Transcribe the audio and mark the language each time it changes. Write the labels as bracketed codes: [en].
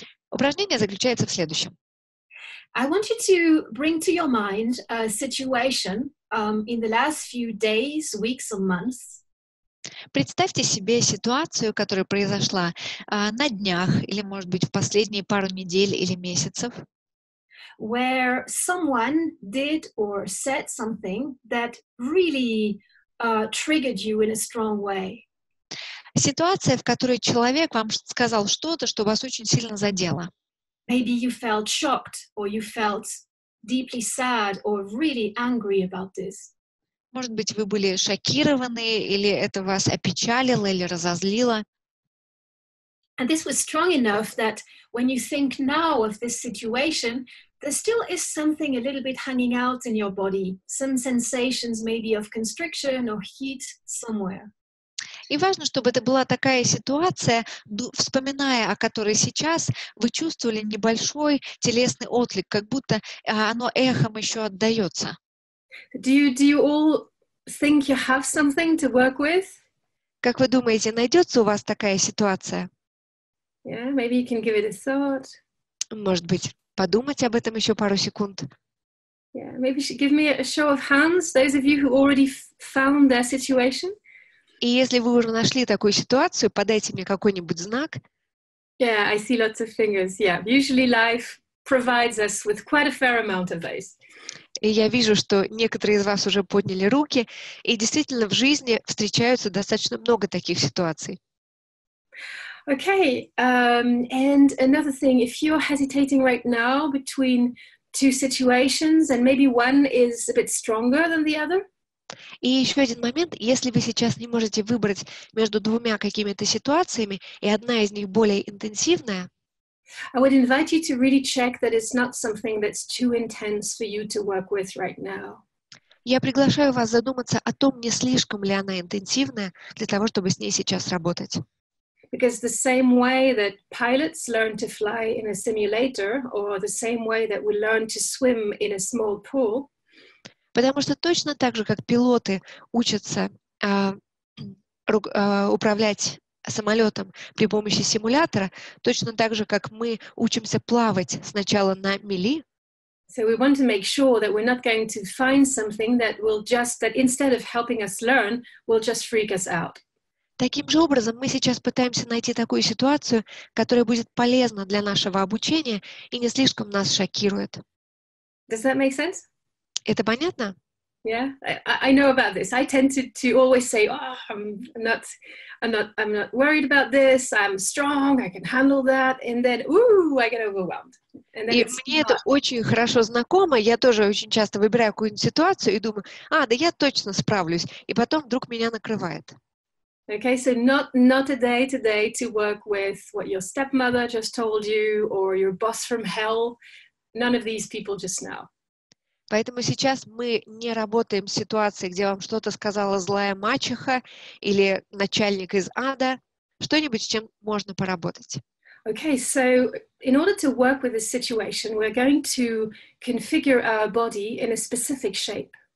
[ru] Упражнение заключается в следующем. [en] I want you to bring to your mind a situation in the last few days, weeks or months. [ru] Представьте себе ситуацию, которая произошла на днях или, может быть, в последние пару недель или месяцев. [en] Where someone did or said something that really triggered you in a strong way. [ru] Ситуация, в которой человек вам сказал что-то, что вас очень сильно задело. [en] Maybe you felt shocked, or you felt deeply sad, or really angry about this. [ru] Может быть, вы были шокированы, или это вас опечалило, или разозлило. [en] And this was strong enough that when you think now of this situation, there still is something a little bit hanging out in your body, some sensations maybe of constriction or heat somewhere. [ru] И важно, чтобы это была такая ситуация, вспоминая о которой сейчас, вы чувствовали небольшой телесный отклик, как будто оно эхом еще отдается. [en] Do you all think you have something to work with? [ru] Как вы думаете, найдется у вас такая ситуация? [en] Yeah, maybe you can give it a thought. [ru] Может быть. Подумать об этом еще пару секунд. [en] Yeah, maybe you should give me a show of hands, those of you who already found their situation. [ru] И если вы уже нашли такую ситуацию, подайте мне какой-нибудь знак. [en] Yeah, I see lots of fingers. Yeah, usually life provides us with quite a fair amount of those. [ru] И я вижу, что некоторые из вас уже подняли руки, и действительно в жизни встречаются достаточно много таких ситуаций. [en] Okay, and another thing, if you're hesitating right now between two situations, and maybe one is a bit stronger than the other. [ru] И еще один момент, если вы сейчас не можете выбрать между двумя какими-то ситуациями, и одна из них более интенсивная, [en] I would invite you to really check that it's not something that's too intense for you to work with right now. [ru] Я приглашаю вас задуматься о том, не слишком ли она интенсивная для того, чтобы с ней сейчас работать. [en] Because the same way that pilots learn to fly in a simulator, or the same way that we learn to swim in a small pool, [ru] потому что точно так же, как пилоты учатся управлять самолетом при помощи симулятора, точно так же, как мы учимся плавать сначала на мели. [en] So we want to make sure that we're not going to find something that will just, that instead of helping us learn, will just freak us out. [ru] Таким же образом, мы сейчас пытаемся найти такую ситуацию, которая будет полезна для нашего обучения и не слишком нас шокирует. [en] Does that make sense? [ru] Это понятно? [en] Yeah, I know about this. I tend to always say, oh, I'm not worried about this. I'm strong. I can handle that. And then, ooh, I get overwhelmed. And then и it's мне not... [ru] это очень хорошо знакомо. Я тоже очень часто выбираю какую-нибудь ситуацию и думаю, а, да я точно справлюсь. И потом вдруг меня накрывает. [en] Okay, so not a day today to work with what your stepmother just told you or your boss from hell. None of these people just now. [ru] Поэтому сейчас мы не работаем с ситуацией, где вам что-то сказала злая мачеха или начальник из ада. Что-нибудь, с чем можно поработать. [en] Okay, so in order to work with this situation, we're going to configure our body in a specific shape.